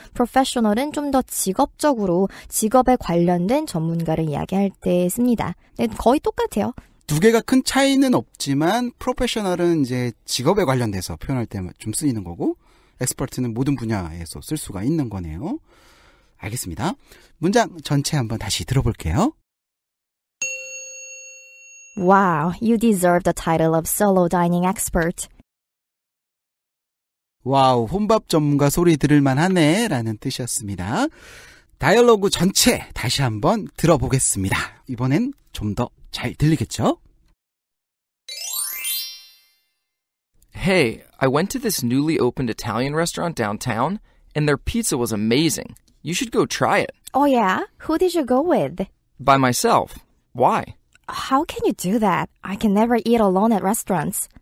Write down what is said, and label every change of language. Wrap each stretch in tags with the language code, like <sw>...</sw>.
<ko>professional은 좀 더 직업적으로 직업에 관련된 전문가를 이야기할 때 씁니다. 네, 거의 똑같아요. 두 개가 큰 차이는 없지만 프로페셔널은 이제 직업에 관련돼서 표현할 때 좀 쓰이는 거고 엑스퍼트는 모든 분야에서 쓸 수가 있는 거네요. 알겠습니다. 문장 전체 한번 다시 들어볼게요.</ko> <en>Wow, you deserve the title of solo dining expert.</en> <ko>와우, 혼밥 전문가 소리 들을 만하네 라는 뜻이었습니다. 다이얼로그 전체 다시 한번 들어보겠습니다. 이번엔 좀 더 잘 들리겠죠?</ko> <en>Hey, I went to this newly opened Italian restaurant downtown, and their pizza was amazing. You should go try it. Oh yeah? Who did you go with? By myself. Why? How can you do that? I can never eat alone at restaurants.</en>